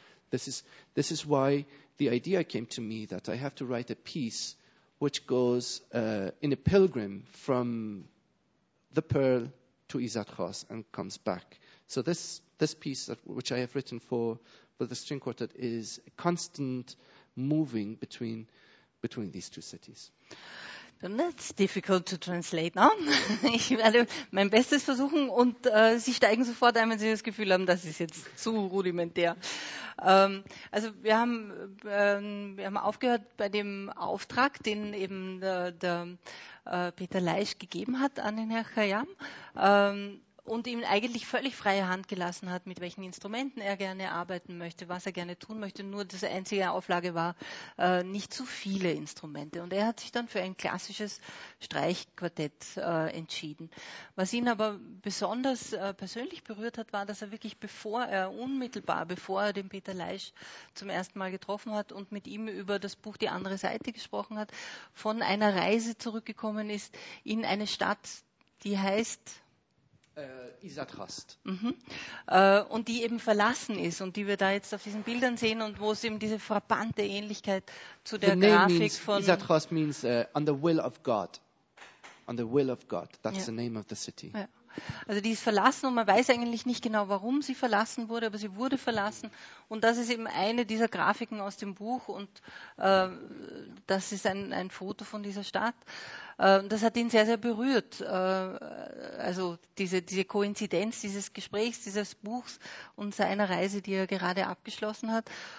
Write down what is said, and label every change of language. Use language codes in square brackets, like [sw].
[en] This is why the idea came to me that I have to write a piece which goes in a pilgrim from the pearl to Izzat Khos and comes back. So this piece that, which I have written for the string quartet is a constant moving between these two cities. And that's difficult to translate, no? [de] Ich werde mein Bestes versuchen und Sie steigen sofort ein, wenn Sie das Gefühl haben, das ist jetzt zu rudimentär. Also wir haben aufgehört bei dem Auftrag, den eben der Peter Leisch gegeben hat an den Herrn Khayyam und ihm eigentlich völlig freie Hand gelassen hat, mit welchen Instrumenten er gerne arbeiten möchte, was er gerne tun möchte. Nur das einzige Auflage war, nicht zu viele Instrumente. Und er hat sich dann für ein klassisches Streichquartett entschieden. Was ihn aber besonders persönlich berührt hat, war, dass er wirklich bevor er den Peter Leisch zum ersten Mal getroffen hat und mit ihm über das Buch Die andere Seite gesprochen hat, von einer Reise zurückgekommen ist in eine Stadt, die heißt Izzat Khos. Und die eben verlassen ist und die wir da jetzt auf diesen Bildern sehen und wo es eben diese frappante Ähnlichkeit zu der Grafik von... [en] Izzat Khos means on the will of God. On the will of God. That's the name of the city. [de] Ja. Also die ist verlassen und man weiß eigentlich nicht genau, warum sie verlassen wurde, aber sie wurde verlassen. Und das ist eben eine dieser Grafiken aus dem Buch und das ist ein Foto von dieser Stadt. Das hat ihn sehr, sehr berührt. Also diese Koinzidenz dieses Gesprächs, dieses Buchs und seiner Reise, die er gerade abgeschlossen hat.